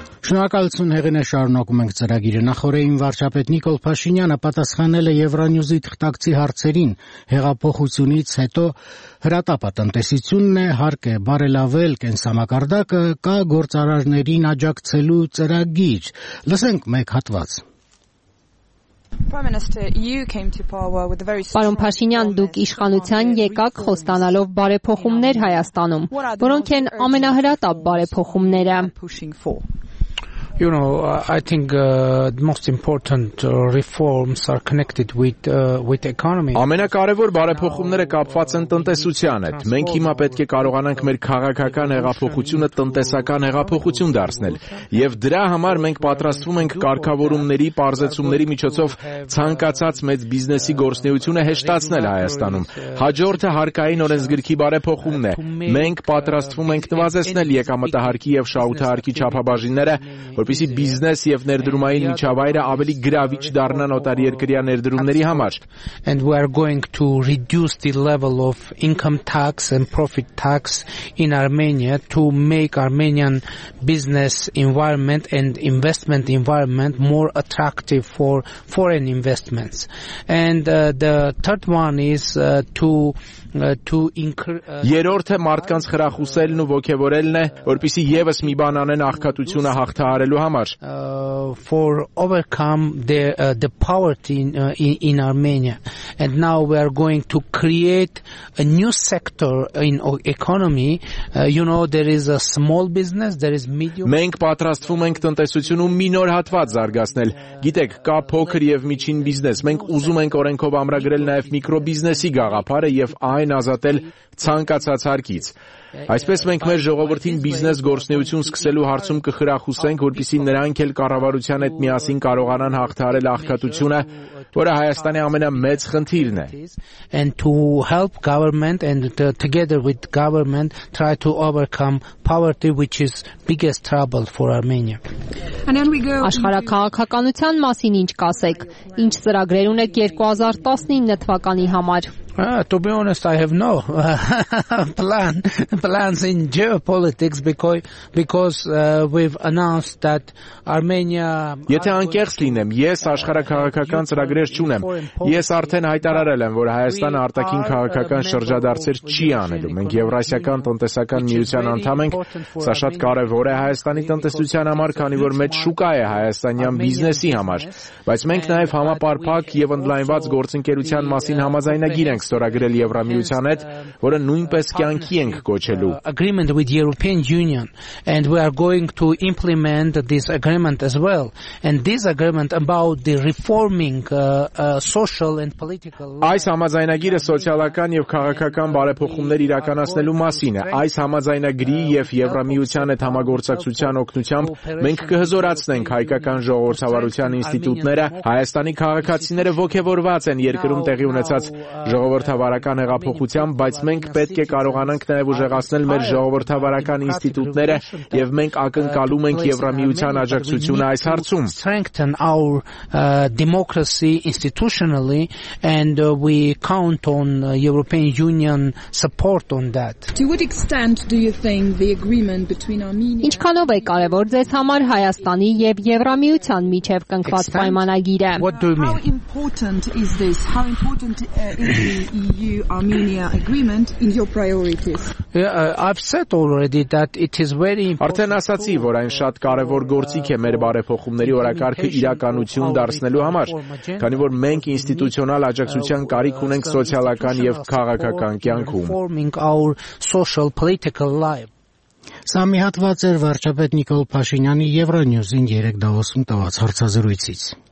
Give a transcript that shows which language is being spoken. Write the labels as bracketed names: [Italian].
[Armenian] Շնորհակալություն Հեղինե, շարունակում ենք ծրագիրը։ Նախորդին վարչապետ Նիկոլ Փաշինյանը պատասխանել է Եվրանյուզի թղթակցի հարցերին, հեղափոխությունից հետո հրատապ տնտեսությունն է, հարկ է բարելավել կենսամակարդակը, կա գործարարներին աջակցելու ծրագիր։ Լսենք մեկ հատված։ Պարոն Փաշինյան, դուք իշխանության եկաք խոստանալով բարեփոխումներ Հայաստանում, որոնք են ամենահրատապ բարեփոխումները։ [English] You know, I think the most important reforms are connected with economy. [Armenian] Ամենակարևոր բարեփոխումները կապված են տնտեսության հետ։ Մենք հիմա պետք է կարողանանք մեր քաղաքական հեղափոխությունը տնտեսական հեղափոխություն դարձնել, եւ դրա համար մենք պատրաստվում ենք կարգավորումների, պարզեցումների միջոցով ցանկացած մեծ բիզնեսի գործնեությունը հեշտացնել Հայաստանում։ Հաջորդը հարկային օրենսգրքի բարեփոխումն է։ Մենք պատրաստվում ենք նվազեցնել եկամտահարկի եւ շահութահարկի չափաբաժինները, որպեսզի բիզնես եւ ներդրումային միջավայրը ավելի գրավիչ դառնա օտարերկրյա ներդրումների համար. [English] And we are going to reduce the level of income tax and profit tax in Armenia to make Armenian business environment and investment environment more attractive for foreign investments. And the third one is [Armenian] Երորդը մարդկանց խրախուսելն ու ոգևորելն է, որպիսի եւս մի բան անեն աղքատությունը հաղթահարելու համար։ [English] For overcome the poverty in Armenia. And now we are going to create a new sector in economy. You know, there is a small business, there is medium. [Armenian] Մենք պատրաստվում ենք տնտեսությունում մի նոր հատված զարգացնել։ Գիտեք, կա փոքր եւ միջին բիզնես։ Մենք ուզում ենք օրենքով ամրագրել նաեւ միկրոբիզնեսի գաղափարը եւ այն ազատել ցանկացած հարկից։ Այսպես մենք մեր ժողովրդին բիզնես գործնեություն սկսելու հարցում կխրախուսենք, որպեսզի նրանք էլ կառավարության հետ միասին կարողանան հաղթահարել աղքատությունը, որը Հայաստանի ամենամեծ խնդիրն է։ [English] And to help government and together with government try to overcome poverty, which is biggest trouble for Armenia. [Armenian] Աշխարհակաղակականության մասին ինչ կասեք, ինչ ծրագրեր ունեք 2019 թվականի համար։ [English] To be honest, I have no plans in geopolitics because we've announced that Armenia. [Armenian] Եթե անկեղծ լինեմ, ես աշխարհակաղակական ծրագրեր չունեմ։ Ես արդեն հայտարարել եմ, որ Հայաստանը արտաքին քաղաքական շրջադարձեր չի անելու։ Մենք Եվրասիական տնտեսական միության անդամ ենք, սա շատ կարևոր է Հայաստանի տնտեսության համար, քանի որ մեծ շուկա է հայաստանյան բիզնեսի համար, բայց մենք նաև համապարփակ եւ ընդլայնված գործընկերության մասին համաձայնագիր ենք ստորագրել Եվրամիության հետ, որը նույնպես կյանքի ենք կոչելու։ [English] Agreement with European Union, and we are going to implement this agreement as well. And this agreement about the reforming social and political. [Armenian] Այս համաձայնագիրը սոցիալական եւ քաղաքական բարեփոխումներ իրականացնելու մասին է։ Այս համաձայնագրի եւ Եվրամիության հետ համագործակցության օգնությամբ մենք կհզորացնենք հայկական ժողովրդավարության ինստիտուտները, հայաստանի քաղաքացիները ոգևորված են երկրում տեղի ունեցած ժողովրդավարական հեղափոխությամբ, բայց մենք պետք է կարողանանք նաև ուժեղացնել մեր ժողովրդավարական ինստիտուտները, եւ մենք ակնկալում ենք Եվրամիության աջակցությունը այս հարցում։ [English] Strengthen our democracy institutionally and we count on European Union support on that. To what extent do you think the agreement between Armenia? [Armenian] Ինչքանով է կարևոր ձեզ համար Հայաստանի եւ Եվրամիության միջև կնքված պայմանագիրը։ [English] What do you mean? How important is this? How important the EU-Armenia agreement in your priorities. Yeah, I've said already that it is very important. [Armenian] Արդեն ասացի, որ այն շատ կարևոր գործիք է մեր բարեփոխումների օրակարգը իրականություն դարձնելու համար, քանի որ մենք ինստիտուցիոնալ աջակցության կարիք ունենք սոցիալական եւ քաղաքական կյանքում։ Սա մի հատված էր վարչապետ Նիկոլ Փաշինյանի Euronews-ին 3 Դավոսում տված հարցազրույցից։